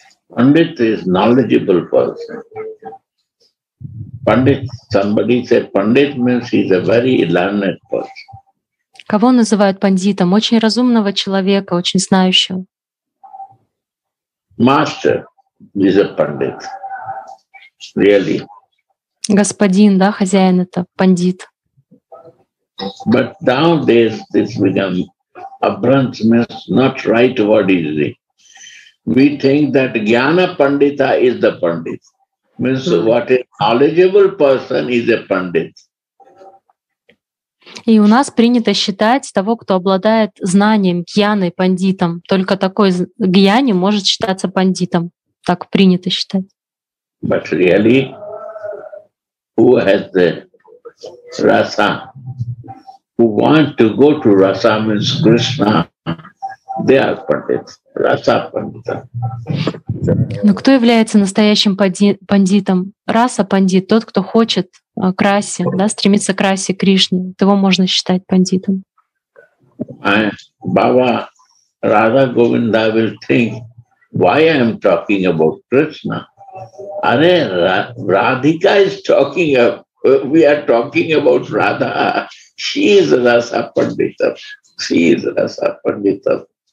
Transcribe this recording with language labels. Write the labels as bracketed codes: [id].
[en] Pandit is knowledgeable person. Pandit, somebody said, Pandit means he's a very learned person. [ru] Кого называют пандитом? Очень разумного человека, очень знающего. [en] Master is a pandit. Really. [ru] Господин, да, хозяин — это пандит. [en] But nowadays this becomes abhrants, means not right word easy. We think that Jnana Pandita is the Pandit. Means what is knowledgeable person is a Pandit. [ru] И у нас принято считать того, кто обладает знанием, Гьяной, пандитом. Только такой Гьяни может считаться пандитом. Так принято считать. [en] But really, who has the rasa? Who want to go to Rasa means Krishna, they are pandits, Rasa Pandita. [ru] Но кто является настоящим пандитом? Раса пандит, тот, кто хочет к расе, да, стремится к расе Кришне, того можно считать пандитом. [en] Baba Radha Govinda will think, why I am talking about Krishna? Are Radhika is talking about, we are talking about Radha. She is Rasa Pandita. She is Rasa Pandita.